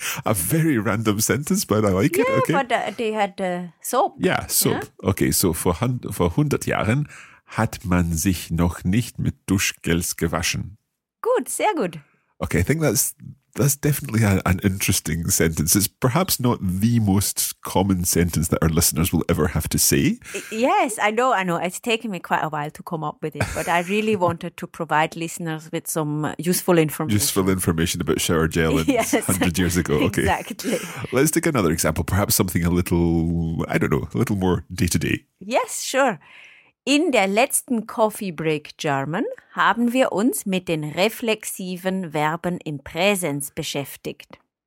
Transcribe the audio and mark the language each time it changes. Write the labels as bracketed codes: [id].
[en] A very random sentence, but I like it, okay? Yeah, but they had soap. Yeah, soap. Yeah? [de] Okay, so vor 100 Jahren hat man sich noch nicht mit Duschgels gewaschen. Gut, sehr gut. [en] Okay, I think that's definitely an interesting sentence. It's perhaps not the most common sentence that our listeners will ever have to say. Yes, I know, I know. It's taken me quite a while to come up with it, but I really wanted to provide listeners with some useful information. Useful information about shower gel and yes, 100 years ago. Okay. Exactly. Let's take another example, perhaps something a little, I don't know, a little more day-to-day. Yes, sure. [de] In der letzten Coffee Break German haben wir uns mit den reflexiven Verben im Präsens beschäftigt.